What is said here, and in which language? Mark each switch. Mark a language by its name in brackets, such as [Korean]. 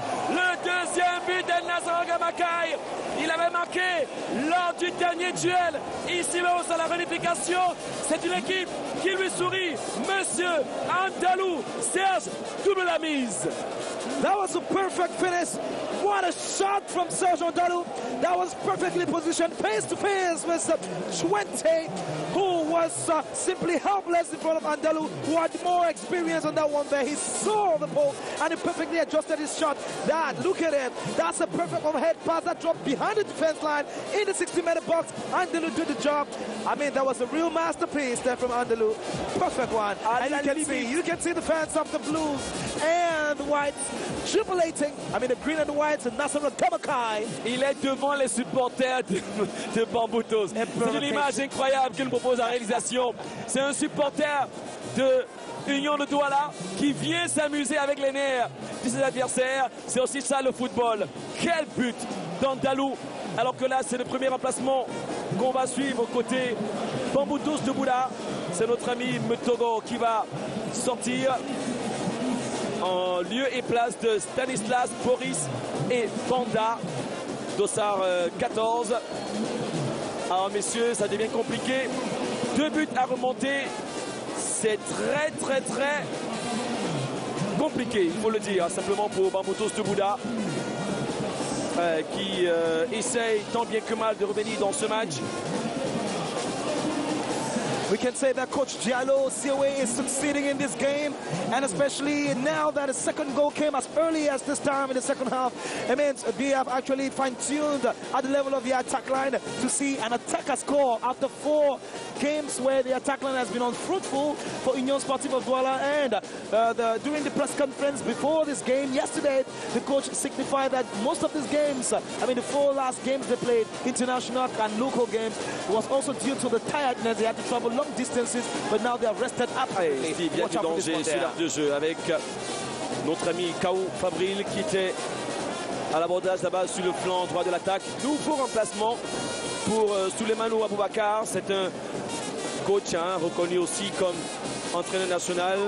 [French] Le deuxième but d'El Nazaro Gamakai. Il avait marqué lors du dernier duel, ici même à la vérification. C'est une équipe qui lui sourit. Monsieur Andalou, Serge, double la mise. [English] That was a perfect finish. What a shot from Serge Andalou. That was perfectly positioned face to face with Chouente, who was simply helpless in front of Andalou, who had more experience on that one there. He saw the ball and he perfectly adjusted his shot. That, look at him. That's a perfect overhead pass that dropped behind the defense line in the 60-meter box. Andalou did the job. I mean, that was a real masterpiece there from Andalou. Perfect one. And you can see the fans of the Blues and Whites jubilating. I mean, the green and the whites and Nasser Al-Kamakai. [French] Il est devant les supporters de Bambutos. C'est une image incroyable qu'il propose à réalisation. C'est un supporter de Union de Douala qui vient s'amuser avec les nerfs de ses adversaires. C'est aussi ça le football. Quel but d'Andalou. Alors que là, c'est le premier emplacement qu'on va suivre côté Bambutos de Boula. C'est notre ami Mutogo qui va sortir en lieu et place de Stanislas, Boris et Panda. Dossard 14. Alors messieurs, ça devient compliqué. Deux buts à remonter. C'est très très très compliqué, il faut le dire. Simplement pour Bambutos de Bouda qui essaye tant bien que mal de revenir dans ce match. [English] We can say that Coach Diallo Sioué is succeeding in this game, and especially now that a second goal came as early as this time in the second half. It means we have actually fine-tuned at the level of the attack line to see an attacker score after four games where the attack line has been unfruitful for Union Sportive of Douala. And during the press conference before this game yesterday, the coach signified that most of these games, I mean the four last games they played, international and local games, was also due to the tiredness. They had to travel long distances, but now they have rested up. [French] Ici, bien du danger sur l'aire de jeu avec notre ami Kaou Fabril qui était à l'abordage là-bas sur le flanc droit de l'attaque. Nouveau remplacement pour Souleymanou Aboubakar. C'est un coach reconnu aussi comme entraîneur national.